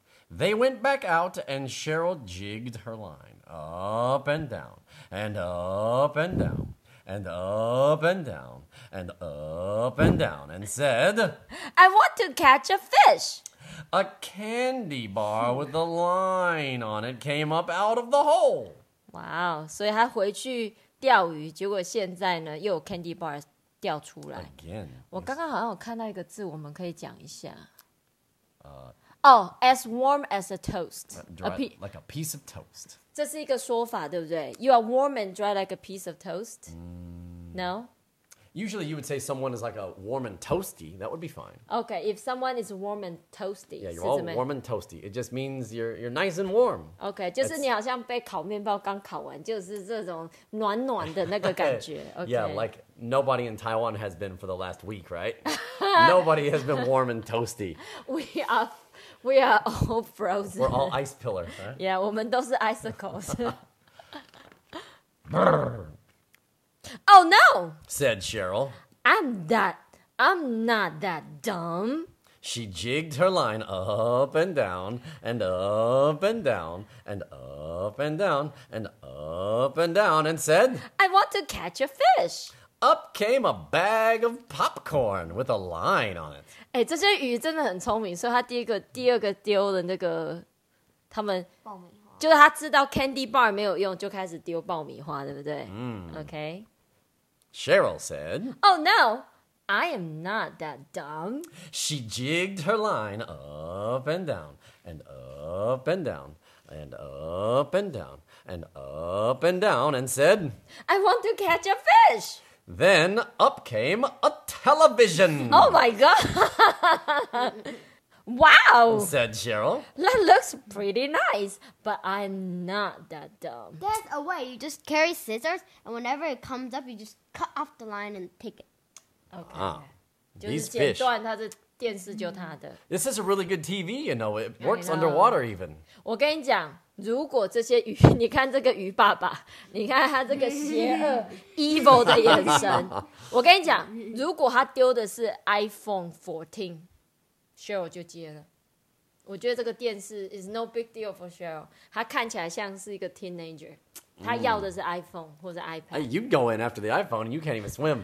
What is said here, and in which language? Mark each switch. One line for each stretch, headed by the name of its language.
English: They went back out and Cheryl jigged her line up and down and up and down. And up and down, and up and down, and said, I want to catch a fish. A candy bar with a line on it came up out of the hole.
Chinese: Wow, 所以他回去钓鱼，结果现在呢，又有 candy bar 掉出来。
English: Again.
Chinese: 我刚刚好像有看到一个字，我们可以讲一下。
English: As warm as a toast. Like a piece of toast.
Chinese: 这是一个说法，对不对
English: ？You are warm and dry like a piece of toast.、 Mm. No. Usually, you would say someone is like a warm and toasty. That would be fine. Okay, if someone is warm and toasty. Yeah, you're all warm and toasty. It just means you're nice and warm.
Chinese: Okay, 就是你好像被烤面包刚烤完，就是这种暖暖的那个感觉。
English: Okay. Yeah, like nobody in Taiwan has been for the last week, right? Nobody has been warm and toasty. We are all frozen. We're all ice pillars, right?
Chinese: Yeah, 我们都是 icicles.
English: Oh, no! Said Cheryl. I'm not that dumb. She jigged her line up and down, and up and down, and up and down, and up and down, and said, I want to catch a fish. Up came a bag of popcorn with a line on it.
Chinese: 哎，这些鱼真的很聪明，所以他第二个丢的那个，他们爆米花，就是他知道 candy bar 没有用，就开始丢爆米花，对不对？嗯
English: ，OK. Cheryl said, "Oh no, I am not that dumb." She jigged her line up and down, and up and down, and up and down, and up and down, and said, "I want to catch a fish." Then up came a television. Oh my god. Wow. Said Cheryl. That looks pretty nice, but I'm not that dumb. There's a way. You just carry scissors, and whenever it comes up, you just cut off the line and take it. Okay. These fish.
Chinese: 就是剪断它的电视就它的。
English: This is a really good TV, you know. It works underwater even.
Chinese: 我跟你讲。如果这些鱼，你看这个鱼爸爸，你看他这个邪恶evil 的眼神。我跟你讲，如果他丢的是 iPhone 14， Cheryl 就接了。我觉得这个电视
English: is no big deal for
Chinese: Cheryl， 他看起来像是一个 teenager， 他要的是 iPhone 或者 iPad。
English: You go in after the iPhone, you can't even swim.